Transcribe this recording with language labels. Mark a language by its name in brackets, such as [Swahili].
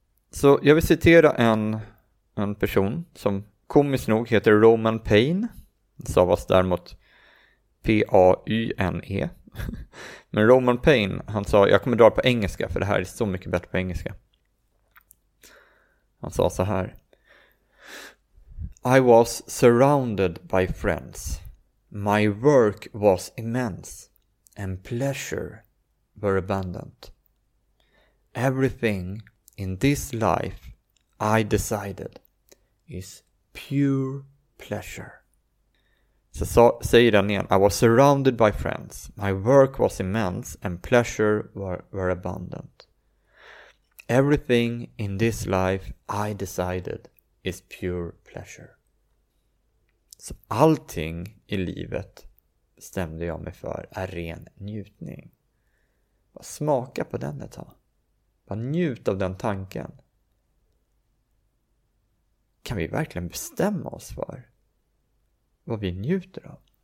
[Swedish] Så jag vill citera en person som komiskt nog heter Roman Payne. Stavas däremot P-A-Y-N-E. Men Roman Payne, han sa, jag kommer dra på engelska för det här är så mycket bättre på engelska. Han sa så här. [English] I was surrounded by friends. My work was immense. And pleasure were abundant. Everything in this life I decided is pure pleasure. [Swedish] Så säger den igen. [English] I was surrounded by friends. My work was immense and pleasure were abundant. Everything in this life I decided is pure pleasure. [Swedish] Så allting i livet stämde jag mig för är ren njutning. Bara smaka på den ett tag. Bara njut av den tanken. Kan vi verkligen bestämma oss för vad vi njuter av?